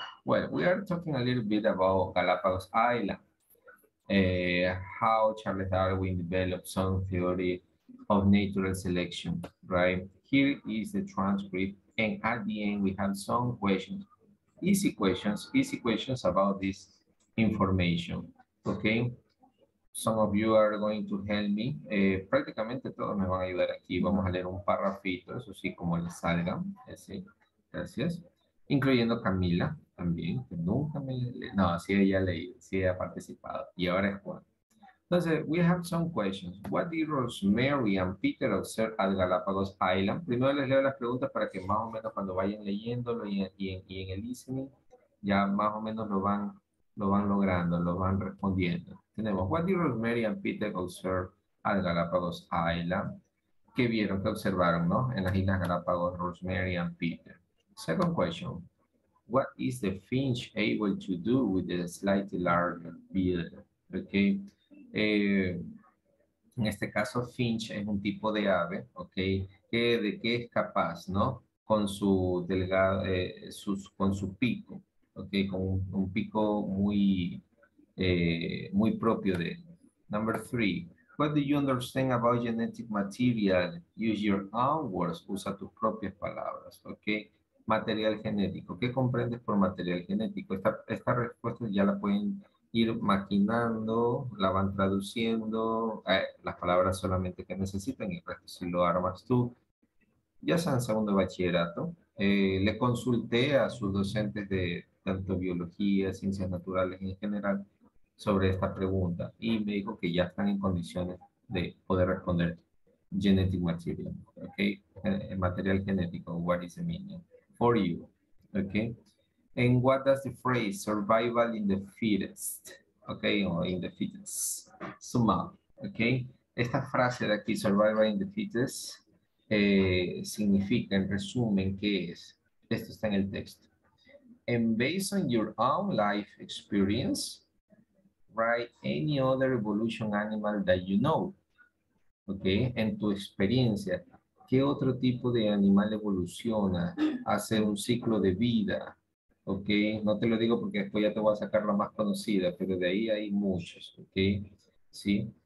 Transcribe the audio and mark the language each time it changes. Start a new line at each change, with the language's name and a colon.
English: Well, we are talking a little bit about Galapagos Island, how Charles Darwin developed some theory of natural selection, right? Here is the transcript, and at the end we have some questions, easy questions about this information, okay? Some of you are going to help me.
Spanish: Prácticamente todos me van a ayudar aquí. Vamos a leer un parrafito, eso sí, como les salga. Ese. Gracias. Incluyendo Camila también, que nunca me... No, sí, ella ha leído, sí, ha participado. Y ahora es cuando. Entonces,
English: we have some questions. What did Rosemary and Peter observe at Galapagos Island?
Spanish: Primero les leo las preguntas para que más o menos cuando vayan leyéndolo y en el listening, ya más o menos lo van logrando, lo van respondiendo.
English: Tenemos, what did Rosemary and Peter observe at Galapagos Island?
Spanish: ¿Qué vieron, qué observaron, no? En las Islas Galapagos, Rosemary and Peter.
English: Second question, what is the finch able to do with a slightly larger bill? Okay.
Spanish: En este caso, finch es un tipo de ave, okay, de qué es capaz, ¿no? Con su delgado, con su pico, okay, con un pico muy, muy propio de él.
English: Number three, what do you understand about genetic material? Use your own words,
Spanish: usa tus propias palabras,
English: okay.
Spanish: Material genético, ¿qué comprendes por material genético? Esta respuesta ya la pueden ir maquinando, la van traduciendo, las palabras solamente que necesitan y el resto si lo armas tú. Ya sea en segundo bachillerato, le consulté a sus docentes de tanto biología, ciencias naturales en general, sobre esta pregunta y me dijo que ya están en condiciones de poder responder genetic material, ¿ok? Material genético,
English: what is the meaning for you, ¿ok? And what does the phrase survival in the fittest, okay, or in the fittest, sum up, okay?
Spanish: Esta frase de aquí,
English: survival in the fittest,
Spanish: significa, en resumen, ¿qué es? Esto está en el texto.
English: And based on your own life experience, write any other evolution animal that you know, okay?
Spanish: En tu experiencia, ¿qué otro tipo de animal evoluciona, hace un ciclo de vida? Ok, no te lo digo porque después ya te voy a sacar la más conocida, pero de ahí hay muchos, ok, sí.